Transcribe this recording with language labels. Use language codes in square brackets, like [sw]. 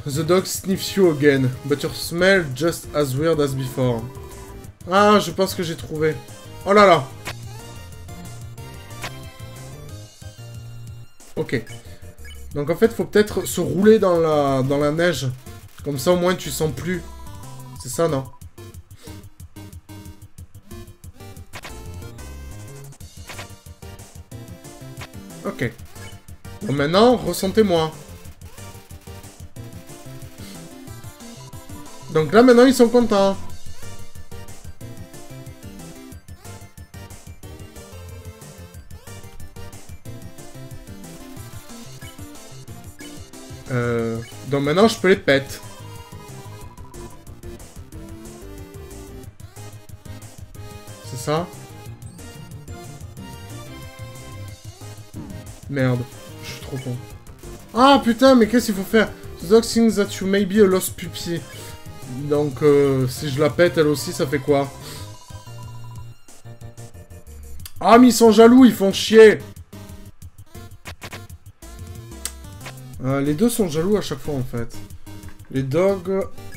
[en] The dog sniffs you again, but your smell just as weird as before. [fr] Ah, je pense que j'ai trouvé. Oh là là. Ok. Donc en fait, faut peut-être se rouler dans la neige. Comme ça, au moins, tu sens plus. C'est ça, non? Ok. Bon, maintenant, ressentez-moi. Donc là, maintenant, ils sont contents. Donc maintenant, je peux les péter. C'est ça? Merde, je suis trop con. Ah, putain, mais qu'est-ce qu'il faut faire? [en] The dog thinks that you may be a lost puppy. [fr] Donc, si je la pète, elle aussi, ça fait quoi? Ah, mais ils sont jaloux, ils font chier. Les deux sont jaloux à chaque fois, en fait. Les dogs...